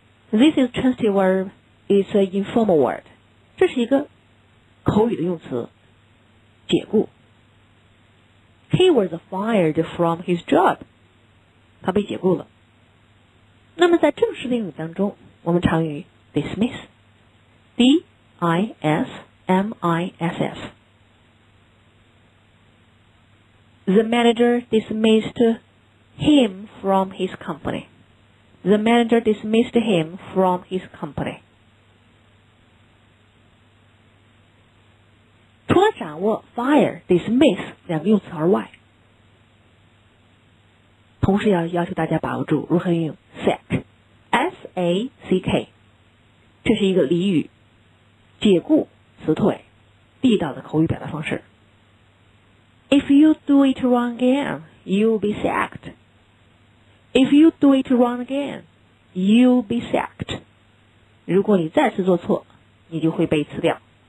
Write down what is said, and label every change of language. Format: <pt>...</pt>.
<en>This is a transitive verb, it's an informal word.</en> <zh>这是一个口语的用词，解雇。</zh> <en>He was fired from his job.</en> <zh>他被解雇了。那么在正式的英语当中，我们常用 dismiss. D-I-S-M-I-S-S.</zh> <en>The manager dismissed him from his company. The manager dismissed him from his company.</en> <zh>除了掌握 fire, dismiss 两个用词而外，同时要要求大家把握住如何用 sack, S-A-C-K, 这是一个俚语，解雇、辞退，地道的口语表达方式。</zh> <en>If you do it wrong again, you'll be sacked. If you do it wrong again, you'll be sacked.</en> <zh>如果你再次做错，你就会被辞掉。</zh>